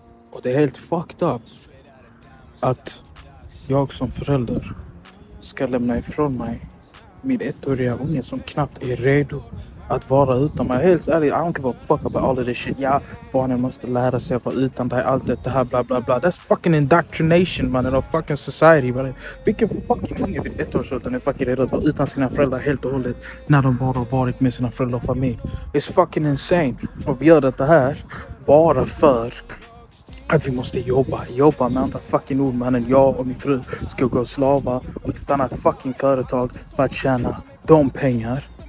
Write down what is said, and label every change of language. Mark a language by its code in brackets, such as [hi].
[sv] Och det är helt fucked up att jag som förälder ska lämna ifrån mig min ettåriga unge som knappt är redo att vara utan mig. Helt ärligt, [en] I don't give a fuck about all of this shit. [sv] Ja, barnen måste lära sig att vara utan dig, allt det här, bla bla bla. [en] That's fucking indoctrination, man, in a fucking society, man. [sv] Vilken fucking unge vid ett års ålder är fucking redo att vara utan sina föräldrar helt och hållet när de bara har varit med sina föräldrar och familj? [en] It's fucking insane. [sv] Och vi gör detta här bara för att vi måste jobba. Jobba med andra fucking ord, man. Jag och min fru ska gå och slava åt ett annat fucking företag för att tjäna de pengar.